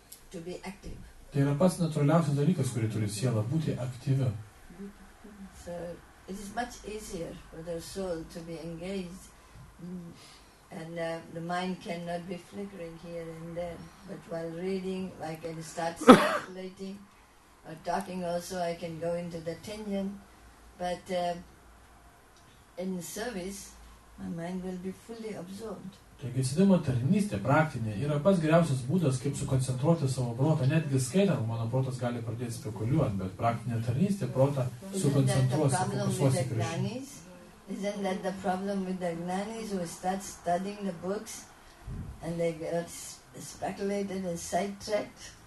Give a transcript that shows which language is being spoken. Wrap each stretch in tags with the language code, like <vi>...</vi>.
<lt>Tai yra pats natūraliausias dalykas, kurį turi siela būti aktyvi.</lt> <en>It is much easier for their soul to be engaged. And the mind cannot be flickering here and there. But while reading, I can start speculating. Or talking also, I can go into the tangent. But in service, my mind will be fully absorbed.</en> <lt>Taigi, sėdimo tarnystė, praktinė, yra pats geriausias būdas, kaip sukoncentruoti savo protą. Netgi skaitant, mano protas gali pradėti spekuliuoti, bet praktinė tarnystė, protą sukoncentruos, fokusuos į Krishną.</lt> <en>Isn't that the problem with the gnanis who start studying the books and they get speculated and sidetracked?</en>